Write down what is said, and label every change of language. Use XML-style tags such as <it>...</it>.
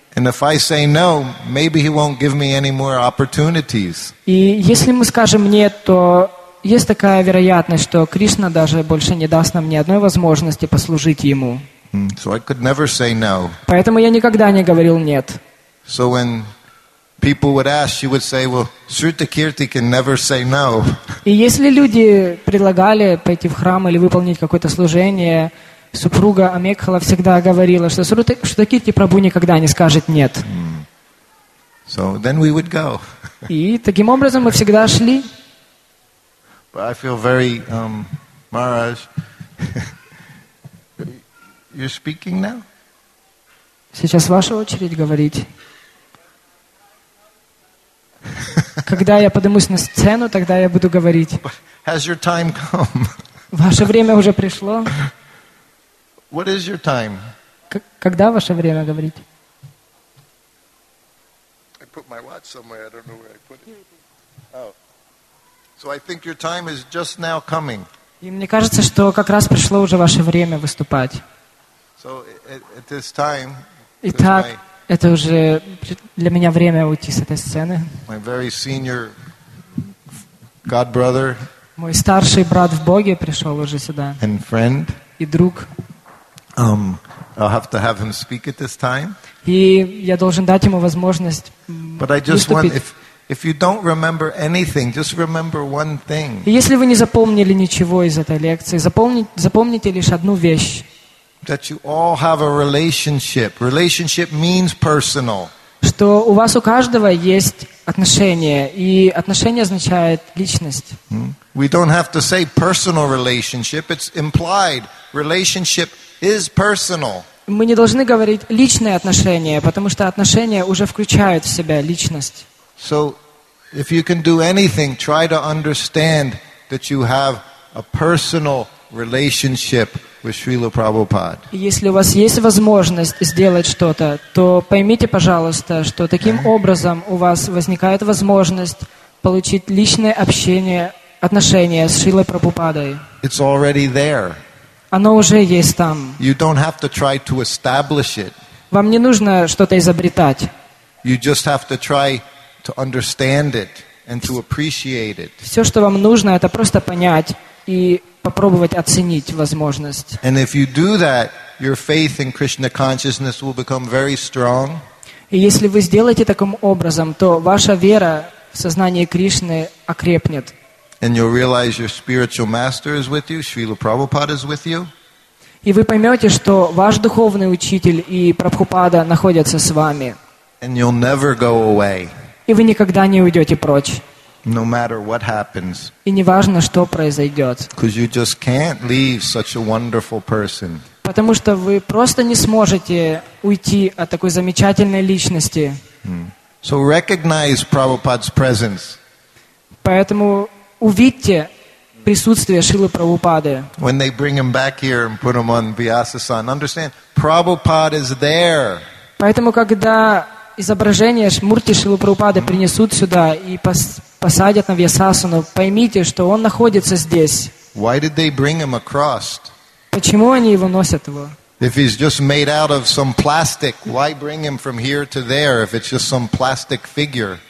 <en>And if I say no, maybe he won't give me any more opportunities.</en> <ru>И если мы скажем нет, то есть такая вероятность, что Кришна даже больше не даст нам ни одной возможности послужить ему.</ru> <en>So I could never say no.</en> <ru>Поэтому я никогда не говорил нет.</ru> <en>So when people would ask, she would say, "Well, Shruti Kirti can never say no."</en> <ru>И если люди предлагали пойти в храм или выполнить какое-то служение, супруга Амекхала всегда говорила, что Шрути Кирти Прабу никогда не скажет нет.</ru> <en>So then we would go.</en> <ru>И таким образом мы всегда шли.</ru> <en>But I feel very, Maharaj, you're speaking now?</en> <ru>Сейчас ваша очередь говорить. Когда я поднимусь на сцену, тогда я буду говорить.</ru> <en>But has your time come?</en> <ru>Ваше время уже пришло.</ru> <en>What is your time?</en> <ru>Когда ваше время говорить?</ru> <en>I put my watch somewhere, I don't know where I put it. Oh. So I think your time is just now coming.</en> <ru>И мне кажется, что как раз пришло уже ваше время выступать.</ru> <en>So at this time.</en> <ru>Итак, это уже для меня время уйти с этой сцены.</ru> <en>My very senior God brother.</en> <ru>Мой старший брат в Боге пришел уже сюда.</ru> <en>And friend.</en> <ru>И друг.</ru> <en>I'll have to have him speak at this time.</en> <ru>И я должен дать ему возможность выступить.</ru> <en>But I just want if you don't remember anything, just remember one thing.</en> <ru>Если вы не запомнили ничего из этой лекции, запомните лишь одну вещь.</ru> <en>That you all have a relationship. Relationship means personal.</en> <ru>Что у вас у каждого есть отношения, и отношения означают личность.</ru> <en>We don't have to say personal relationship. It's implied. Relationship is personal.</en> <ru>Мы не должны говорить личные отношения, потому что отношения уже включают в себя личность.</ru> <en>So, if you can do anything, try to understand that you have a personal relationship with Srila Prabhupada.</en> <ru>Если у вас есть возможность сделать что-то, то поймите, пожалуйста, что таким образом у вас возникает возможность получить личное общение, отношения с Шрилой Прабхупадой.</ru> <en>It's already there.</en> <ru>Оно уже есть там.</ru> <en>You don't have to try to establish it.</en> <ru>Вам не нужно что-то изобретать.</ru> <en>You just have to try to understand it and to appreciate it.</en> <ru>Все, что вам нужно, это просто понять и попробовать оценить возможность.</ru> <en>And if you do that, your faith in Krishna consciousness will become very strong.</en> <ru>И если вы сделаете таким образом, то ваша вера в сознание Кришны окрепнет.</ru> <en>And you'll realize your spiritual master is with you, Srila Prabhupada is with you.</en> <ru>И вы поймете, что ваш духовный учитель и Прабхупада находятся с вами.</ru> <en>And you'll never go away.</en> <ru>И вы никогда не уйдете прочь.</ru> <en>No matter what happens.</en> <ru>И не важно, что произойдет.</ru> <en>Because you just can't leave such a wonderful person.</en> <ru>Потому что вы просто не сможете уйти от такой замечательной личности.</ru> <en>So recognize Prabhupada's presence.</en> <ru>Поэтому увидьте присутствие Шрилы Прабхупады.</ru> <en>When they bring him back here and put him on Vyasasan, understand, Prabhupada is there.</en> <ru>Поэтому когда изображение Мурти Шрилы Прабхупады принесут сюда и посадят на Вьясасану, поймите, что он находится здесь.</ru> <en>Why did they bring him across?</en> <ru>Почему они его носят его?</ru> <en>If he's just made out of some plastic, why bring him from here to there if it's just some plastic figure?</en>